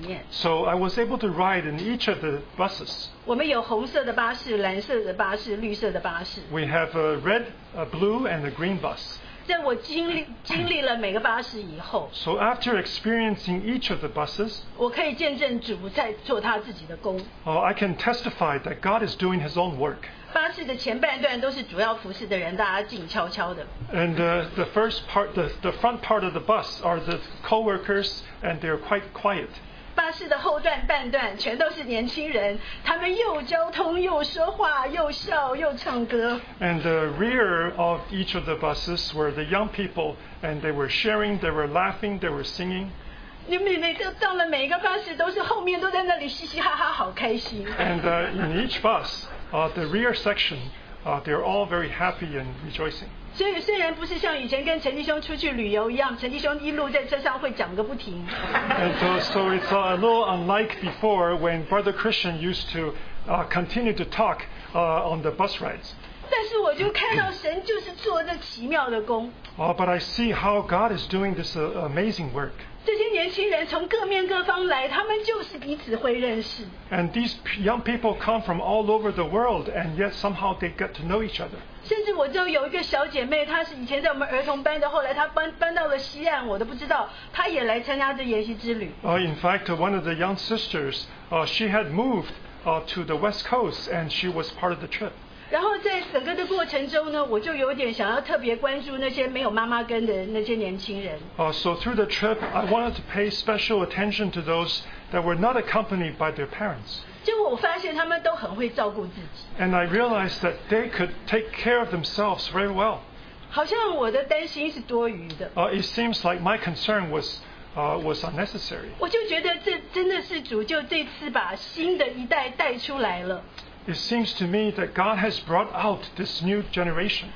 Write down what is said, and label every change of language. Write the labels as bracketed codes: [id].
[en] So I was able to ride in each of the buses. We have a red, a blue, and a green bus. So after experiencing each of the buses, I can testify that God is doing His own work. [zh] 巴士的前半段都是主要服侍的人，大家静悄悄的。 [en] And the first part, the front part of the bus are the co-workers, and they're quite quiet. [zh] 巴士的后段半段全都是年轻人，他们又交通又说话又笑又唱歌。 [en] And the rear of each of the buses were the young people, and they were sharing, they were laughing, they were singing. [zh] 你每个到了每一个巴士都是后面都在那里嘻嘻哈哈，好开心。 [en] And in each bus, the rear section, they're all very happy and rejoicing. [zh] 所以虽然不是像以前跟陈弟兄出去旅游一样，陈弟兄一路在车上会讲个不停。 [en] And so it's a little unlike before when Brother Christian used to continue to talk on the bus rides. [zh] 但是我就看到神就是做那奇妙的工。 [en] But I see how God is doing this amazing work. [zh] 这些年轻人从各面各方来，他们就是彼此会认识。 [en] And these young people come from all over the world, and yet somehow they get to know each other. [zh] 甚至我知道有一个小姐妹，她是以前在我们儿童班的，后来她搬到了西岸，我都不知道，她也来参加这研习之旅。 [en] In fact, one of the young sisters, she had moved to the West Coast, and she was part of the trip. [zh] 然后在整个的过程中呢，我就有点想要特别关注那些没有妈妈跟的那些年轻人。 [en] So through the trip, I wanted to pay special attention to those that were not accompanied by their parents. [zh] 结果我我发现他们都很会照顾自己。 [en] And I realized that they could take care of themselves very well. [zh] 好像我的担心是多余的。 [en] It seems like my concern was unnecessary. [zh] 我就觉得这真的是主就这次把新的一代带出来了。 [en] It seems to me that God has brought out this new generation.